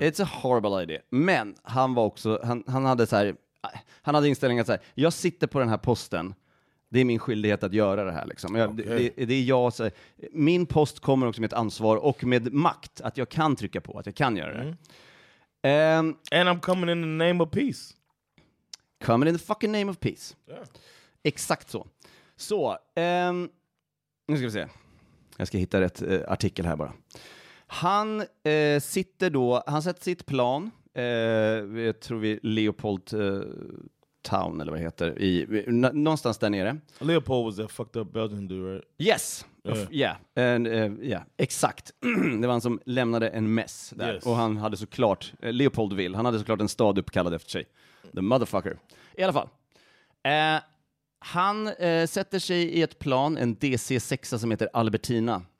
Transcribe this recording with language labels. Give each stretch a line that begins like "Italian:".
English: It's a horrible idea.
Swedish: Men han var också han hade så här, han hade inställningen att så här, jag sitter på den här posten. Det är min skyldighet att göra det här liksom. Jag, det är jag så här, min post kommer också med ett ansvar och med makt att jag kan trycka på att jag kan göra det. Mm.
English: And I'm coming in the name of peace. Coming in the fucking name of peace. Yeah.
Swedish: Exakt så. Så, nu ska vi se. Jag ska hitta rätt artikel här bara. Han sitter då, han sätter sitt plan, jag tror vi Leopold Town eller vad det heter, någonstans där nere.
English: Leopold was that fucked up Belgian dude, right? Yes, yeah, exakt.
Swedish: Det var han som lämnade en mess där.
English: Yes.
Swedish: Och han hade såklart, Leopoldville, han hade såklart en stad uppkallad efter sig.
English: The motherfucker.
Swedish: I alla fall. Han sätter sig i ett plan, en DC-6 som heter Albertina.